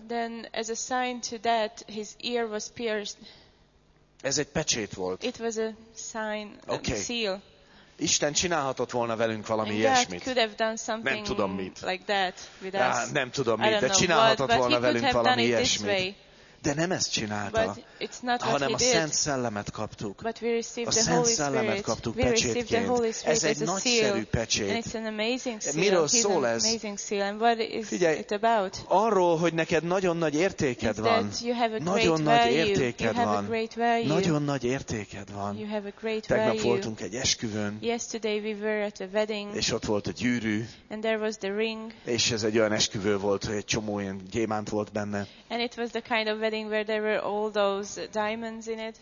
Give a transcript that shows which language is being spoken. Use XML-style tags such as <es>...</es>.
<en>Then as a sign to that, his ear was pierced.</en> <hu>Ez egy pecsét volt.</hu> <en>It was a sign, okay. A seal.</en> <hu>Isten csinálhatott volna velünk valami ilyesmit.</hu> <en>Could have done something</en> <hu>nem tudom mit.</hu> <en>Like that with us.</en> <hu>Nem tudom mit, de csinálhatott volna velünk valami ilyesmit.</hu> <en>Way.</en> <hu>De nem ezt csinálta, hanem a Szent Szellemet kaptuk.</hu> <en>But we received</en> <hu>a Szent</hu> <en>the Holy</en> <hu>Szellemet</hu> <en>Spirit.</en> <hu>Kaptuk</hu> <en>we</en> <hu>pecsétként.</hu> <en>Received the Holy Spirit</en> <hu>ez egy</hu> <en>as a</en> <hu>nagyszerű</hu> <en>seal.</en> <hu>Pecsét.</hu> <en>And it's an amazing seal.</en> <hu>Miről</hu> <en>he's</en> <hu>szól</hu> <en>an</en> <hu>ez?</hu> <en>Amazing seal. And what is</en> <hu>figyelj,</hu> <en>it about?</en> <hu>Arról, hogy neked nagyon nagy értéked</hu> <en>is</en> <hu>van.</hu> <en>That you have a great</en> <hu>nagyon</hu> <en>value.</en> <hu>Nagy értéked</hu> <en>you</en> <hu>van.</hu> <en>Have a great value.</en> <hu>Nagyon nagy értéked van.</hu> <en>You have a great</en> <hu>tegnap</hu> <en>value.</en> <hu>Voltunk egy esküvőn.</hu> <en>Yesterday we were at a wedding.</en> <hu>És ott volt a gyűrű.</hu> <en>And there was the ring.</en> <hu>És ez egy olyan esküvő volt, hogy egy csomó ilyen gyémánt volt benne.</hu> <en>And it was the kind of wedding where there were all those diamonds in it.</en>